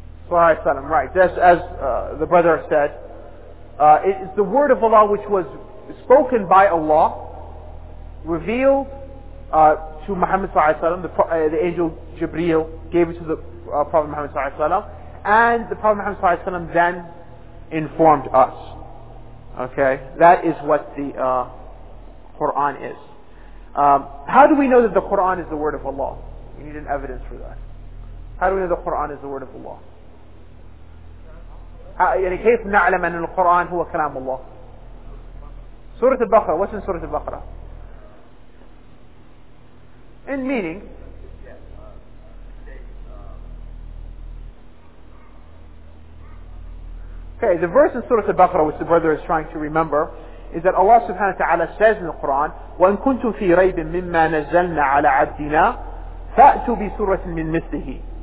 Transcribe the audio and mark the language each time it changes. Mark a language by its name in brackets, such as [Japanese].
[English] Sahih Salam, right. That's, as the brother said, it is the word of Allah which was spoken by Allah, revealed to Muhammad Sallallahu Alaihi Wasallam, the angel Jibreel gave it to the Prophet Muhammad Sallallahu Alaihi Wasallam, and the Prophet Muhammad Sallallahu Alaihi Wasallam then informed us. Okay, that is what the Quran is. How do we know that the Quran is the word of Allah? We need an evidence for that. How do we know the Quran is the word of Allah? [Arabic] يعني كيف نعلم أن القرآن هو كلام الله؟ سورة البقرة. [English] What's in سورة البقرة؟ In meaning. Okay, the verse in Surah Al-Baqarah, which the brother is trying to remember, is that Allah subhanahu wa ta'ala says in the Quran, [Arabic] وَإِن كُنْتُمْ فِي رَيْبٍ مِمَّا نَزَّلْنَا عَلَىٰ عَبْدِنَا فَأْتُوا بِسُورَةٍ مِّن مِثْلِهِ.